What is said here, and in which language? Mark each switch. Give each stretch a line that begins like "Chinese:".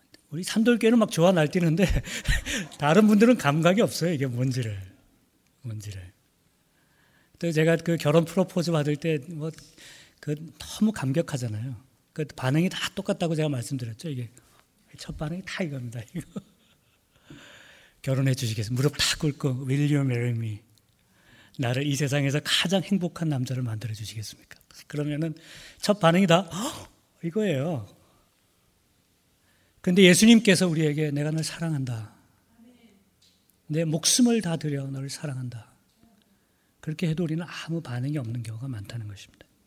Korean: 우리 산돌개는 막 좋아 날뛰는데 다른 분들은 감각이 없어요. 이게 뭔지를. 또 제가 그 결혼 프로포즈 받을 때 뭐 그 너무 감격하잖아요. 그 반응이 다 똑같다고 제가 말씀드렸죠. 이게 첫 반응이 다 이겁니다. 이거 결혼해 주시겠어요? 무릎 다 꿇고
English: Will you marry me?
Korean: 나를 이 세상에서 가장 행복한 남자를 만들어주시겠습니까? 그러면은 첫 반응이 다 이거예요. 그런데 예수님께서 우리에게 내가 너를 사랑한다. 내 목숨을 다 드려 너를 사랑한다. 그렇게 해도 우리는 아무 반응이 없는 경우가 많다는 것입니다.